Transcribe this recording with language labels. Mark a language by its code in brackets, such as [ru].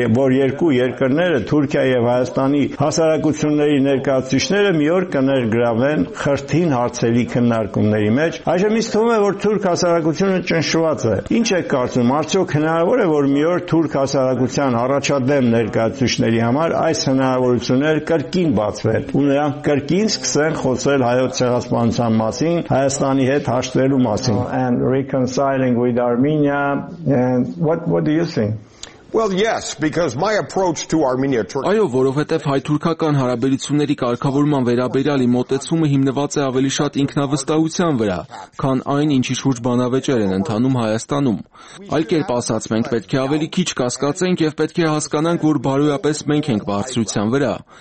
[hy] որ երկու երկրները, Թուրքիա և Հայաստանի հասարակությունների ներկայացուցիչները մի օր կներգրավեն խրթին հարցերի քննարկումների մեջ։ Այժմ ինձ թվում է, որ թուրք հասարակությունը ճնշված է։ Ինչ է կարծում, արդյոք հնարավոր է, որ մի օր թուրք հասարակության առաջադեմ ներկայացուցիչների համար այս հնարավորությունները կրկին բացվեն, ու նրանք կրկին սկսեն խոսել հայոց ցեղասպանության մասին, Հայաստանի հետ հաշտվելու մասին. [en] And reconciling with Armenia, and what do you think? Well, yes, because my approach to Armenia Turkey. [hy] Այո, որովհետև հայ-թուրքական հարաբերությունների կարգավորման վերաբերյալի մոտեցումը հիմնված է ավելի շատ ինքնավստահության վրա, քան այն, ինչի շուրջ բանավեճեր են ընթանում Հայաստանում։ Այլ կերպ ասած, մենք պետք է ավելի քիչ կասկածենք եւ պետք է հասկանանք, որ բարոյապես մենք ենք բարձրության վրա։